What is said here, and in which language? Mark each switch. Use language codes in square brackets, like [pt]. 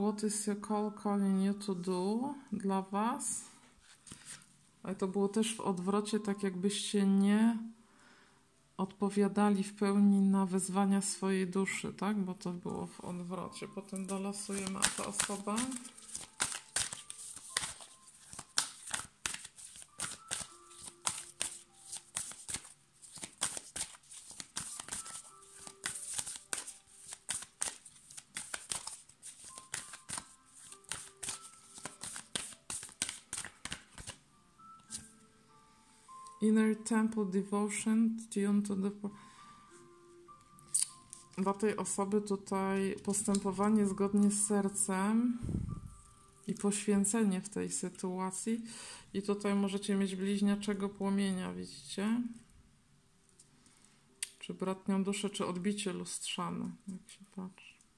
[en] What is your call calling you to do [pl] dla was? Ale to było też w odwrocie, tak jakbyście nie odpowiadali w pełni na wezwania swojej duszy, tak? Bo to było w odwrocie. Potem dolosujemy tę osobę. [en] Inner temple devotion tuned to the... [pl] Dla tej osoby tutaj postępowanie zgodnie z sercem i poświęcenie w tej sytuacji. I tutaj możecie mieć bliźniaczego płomienia, widzicie? Czy bratnią duszę, czy odbicie lustrzane, jak się patrzy.